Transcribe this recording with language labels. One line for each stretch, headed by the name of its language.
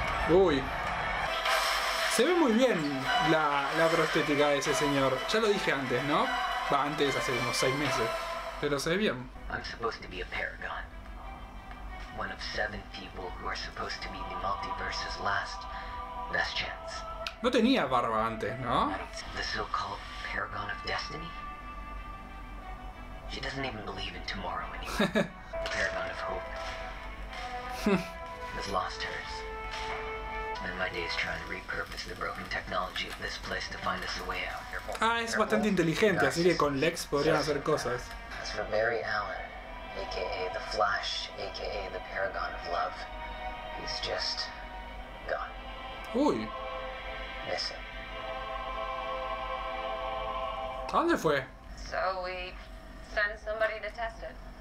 Spanish: Uy. Se ve muy bien la prostética de ese señor. Ya lo dije antes, ¿no? Antes, hace unos 6 meses. Pero se ve bien.
English: I'm supposed to be a paragon. One of 7 people who are supposed to be the multiverse's last best chance.
Spanish: No tenía barba antes, ¿no?
English: The so-called paragon of destiny. She doesn't even believe in tomorrow anymore. Paragon of hope. Has lost hers. And my day is trying to repurpose the broken technology of this place to find us a way out.
Spanish: Ah, es bastante inteligente, así que con Lex podrían hacer cosas.
English: As for Mary Allen, aka the Flash, aka the Paragon of Love, he's just gone. Uy. Miss him.
Spanish: ¿Dónde fue?
English: So we send somebody to test it.